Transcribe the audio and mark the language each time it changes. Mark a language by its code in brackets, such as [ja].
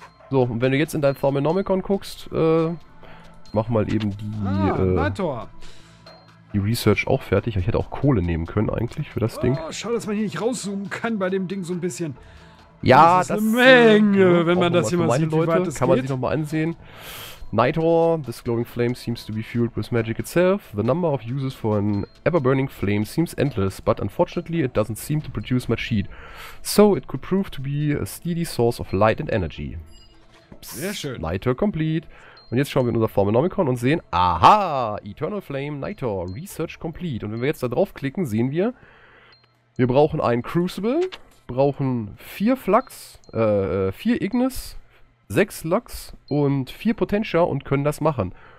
[de] So, und wenn du jetzt in dein Thaumenomicon guckst, mach mal eben die. Nitor. Die Research auch fertig. Ich hätte auch Kohle nehmen können eigentlich für das Ding. Schau, dass man hier nicht rauszoomen kann bei dem Ding so ein bisschen. Ja, das ist eine Menge, wenn man das hier mal sieht, Leute, wie weit es geht. Kann man sich nochmal ansehen. [en] Nightor, this glowing flame seems to be fueled with magic itself. The number of uses for an ever-burning flame seems endless, but unfortunately it doesn't seem to produce much heat. So it could prove to be a steady source of light and energy. [de] Psst, sehr schön. [en] Nightor complete. [de] Und jetzt schauen wir in unser Formonomicon und sehen, aha, Eternal Flame, Nightor, Research complete. Und wenn wir jetzt da draufklicken, sehen wir, wir brauchen ein Crucible, brauchen 4 Flux, 4 Ignis, 6 Lux und 4 Potentia und können das machen.